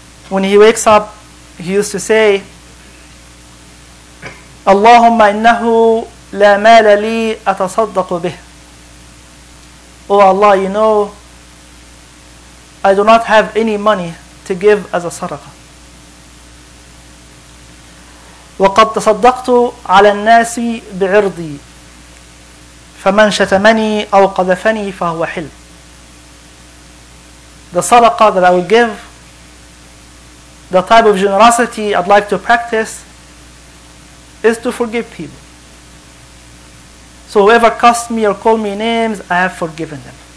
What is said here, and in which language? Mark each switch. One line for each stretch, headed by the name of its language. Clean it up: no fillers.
English: When he wakes up, he used to say,
Arabic: اللهم إنه لا مال لي أتصدق به.
English: Oh Allah, you know, I do not have any money to give as a sadaqah.
Arabic: وقد تصدقت على الناس بعرضي فمن شتمني أو قذفني فهو حل.
English: The sadaqah that I will give, the type of generosity I'd like to practice, is to forgive people. So whoever cussed me or called me names, I have forgiven them.